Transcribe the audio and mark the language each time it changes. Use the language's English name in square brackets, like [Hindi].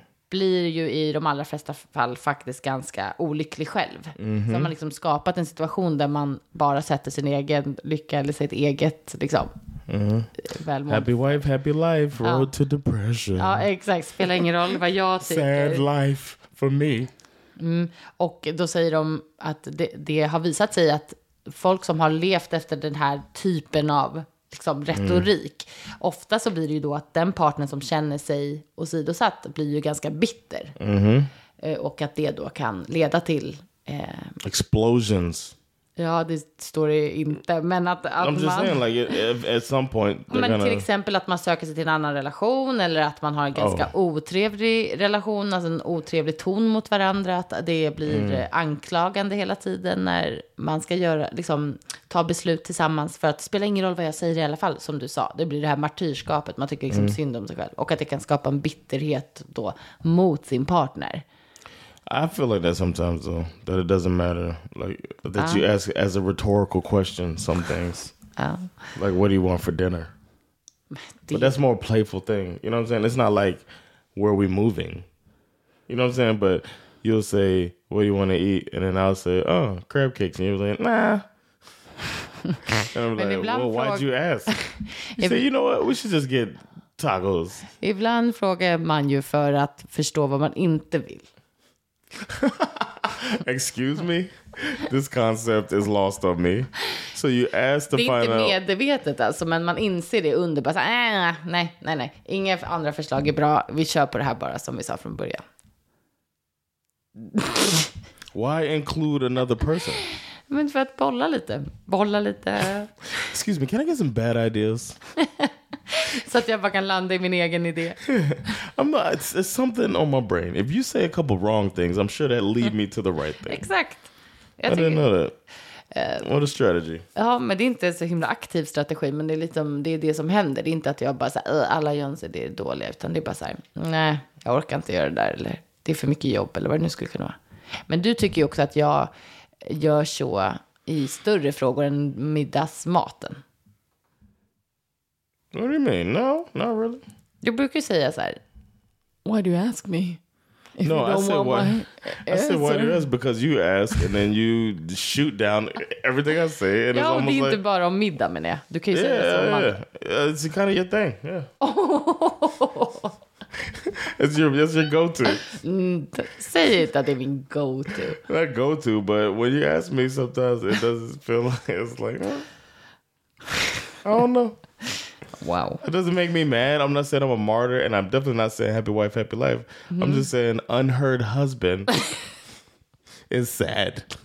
[Swedish] Blir ju i de allra flesta fall faktiskt ganska olycklig själv. Mm-hmm. Så man liksom skapat en situation där man bara sätter sin egen lycka eller sitt eget liksom välmående. [English] Happy wife, happy life, road to depression. [Swedish] Ja, exakt. Spelar ingen roll vad jag tycker. [English] Sad life for me. Mm. [Swedish] Och då säger de att det har visat sig att folk som har levt efter den här typen av liksom retorik. Mm. Ofta så blir det ju då att den partner som känner sig åsidosatt blir ju ganska bitter. Mm-hmm. Och att det då kan leda till... [English] explosions. [Swedish] Ja, det står det inte. Men att [English] I'm just saying, like, at some point... Men gonna... [Swedish] till exempel att man söker sig till en annan relation eller att man har en ganska otrevlig relation, alltså en otrevlig ton mot varandra. Att det blir anklagande hela tiden när man ska göra, liksom, ta beslut tillsammans. För att det spelar ingen roll vad jag säger i alla fall, som du sa. Det blir det här martyrskapet, man tycker liksom synd om sig själv. Och att det kan skapa en bitterhet då mot sin partner. [English] I feel like that sometimes, though, that it doesn't matter, like, that you ask as a rhetorical question some things, like, what do you want for dinner? But that's more a playful thing, you know what I'm saying? It's not like, where are we moving? You know what I'm saying? But you'll say, what do you want to eat? And then I'll say, oh, crab cakes. And you'll be like, nah. And I'm like, well, why'd you ask? You say, you know what? We should just get tacos. [Swedish] Ibland frågar man ju för att förstå vad man inte vill. [English] Excuse me? This concept is lost on me. So you ask to find out. [Swedish] Det är inte medvetet alltså, men man inser det underbart. Nej. Inga andra förslag är bra. Vi kör på det här bara som vi sa från början. [English] Why include another person? [Swedish] Men för att bolla lite. [English] Excuse me, can I get some bad ideas? [Swedish] Så att jag bara kan landa i min egen idé. [English] I'm not, it's something on my brain. If you say a couple wrong things, I'm sure that lead me to the right thing. [Swedish] Exakt. [English] I didn't know that. What a strategy. [Swedish] Ja, men det är inte så himla aktiv strategi, men det är liksom, det är det som händer. Det är inte att jag bara säger alla Jönsson, det är dåliga, utan det är bara så här, nej, jag orkar inte göra det där, eller det är för mycket jobb, eller vad det nu skulle kunna vara. Men du tycker ju också att jag gör så i större frågor än middagsmaten. [English] What do you mean? No, not really. [Swedish] Du brukar säga så här, [English] why do you ask me? No, I said why do you ask? Because you ask and then you shoot down everything I say. And [Swedish] ja, [English] it's almost, [Swedish] det är inte [English] like, [Swedish] bara om middag, men jag. Du kan ju säga det. [English] It's kind of your thing, yeah. it's your go-to. [Swedish] Säg inte att det är min go-to. [English] Not go-to, but when you ask me sometimes, it doesn't feel like, it's like, I don't know. Wow. It doesn't make me mad. I'm not saying I'm a martyr, and I'm definitely not saying happy wife, happy life. Mm-hmm. I'm just saying unheard husband is sad.